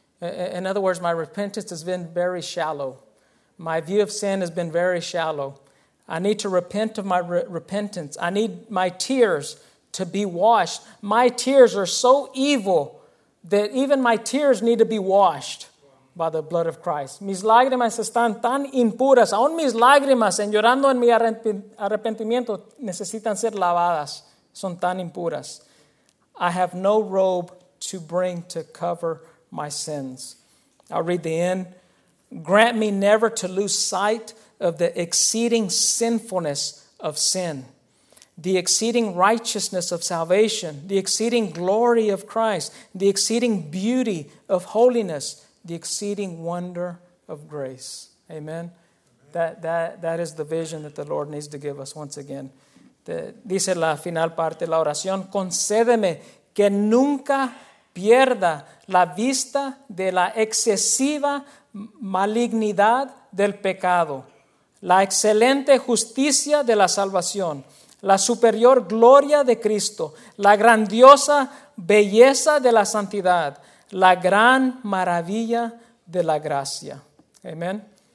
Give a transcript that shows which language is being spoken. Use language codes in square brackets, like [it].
[en] In other words, my repentance has been very shallow. My view of sin has been very shallow. I need to repent of my repentance. I need my tears to be washed. My tears are so evil that even my tears need to be washed by the blood of Christ. [es] Mis lágrimas están tan impuras. Aún mis lágrimas en llorando en mi arrepentimiento necesitan ser lavadas. Son tan impuras. [en] I have no robe to bring to cover my sins. I'll read the end. Grant me never to lose sight of the exceeding sinfulness of sin, the exceeding righteousness of salvation, the exceeding glory of Christ, the exceeding beauty of holiness, the exceeding wonder of grace. Amen. Amen. That is the vision that the Lord needs to give us once again. [es] Dice la final parte de la oración: concédeme que nunca pierda la vista de la excesiva malignidad del pecado, la excelente justicia de la salvación, la superior gloria de Cristo, la grandiosa belleza de la santidad, la gran maravilla de la gracia. Amén.